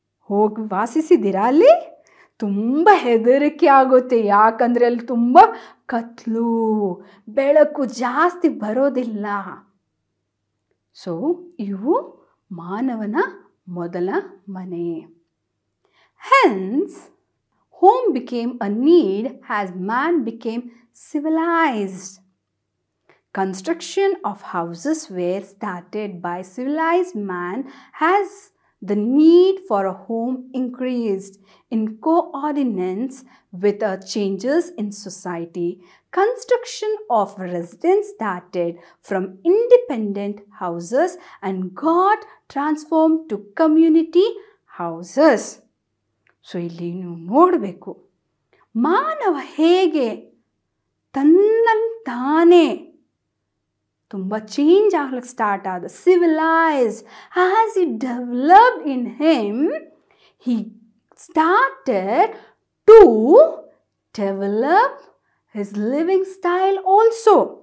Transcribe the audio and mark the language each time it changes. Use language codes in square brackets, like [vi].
[kn] ಹೋಗಿ ವಾಸಿಸಿದ್ದೀರಾ ಅಲ್ಲಿ ತುಂಬ ಹೆದರಿಕೆ ಆಗುತ್ತೆ ಯಾಕಂದರೆ ಅಲ್ಲಿ ತುಂಬ ಕತ್ಲು ಬೆಳಕು ಜಾಸ್ತಿ ಬರೋದಿಲ್ಲ [en] so [kn] ಇವು ಮಾನವನ ಮೊದಲ ಮನೆ [en] Hence home became a need has man became civilised Construction of houses were started by civilized man as the need for a home increased in coordinates with changes in society. Construction of residence started from independent houses and got transformed to community houses. [kn] So, ಇಲ್ಲಿ ನೀವು ನೋಡಬೇಕು, ಮಾನವ ಹೇಗೆ ತನ್ನಂತಾನೆ ತುಂಬ change ಆಗ್ಲಿಕ್ಕೆ start ಆದ. [en] Civilise has it develop in him, he started to develop his living style also.